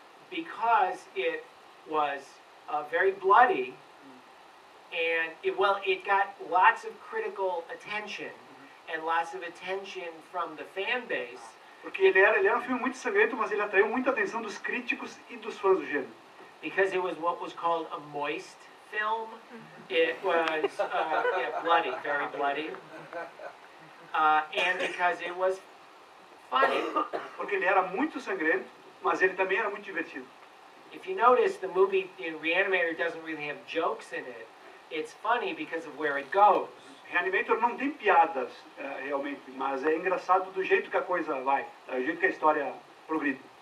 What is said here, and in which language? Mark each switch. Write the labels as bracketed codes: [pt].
[en] Because it was very bloody, and it got lots of critical attention. And lots of attention from the fan base. [pt] Porque ele era um filme muito sangrento, mas ele atraiu muita atenção dos críticos e dos fãs do gênero. [en] Because it was what was called a moist film. It was bloody, very bloody. And because it was funny. [pt] Porque ele era muito sangrento, mas ele também era muito divertido. [en] If you notice, the movie in Reanimator doesn't really have jokes in it. It's funny because of where it goes. [pt] Reanimator não tem piadas, realmente, mas é engraçado do jeito que a coisa vai, do jeito que a história progride.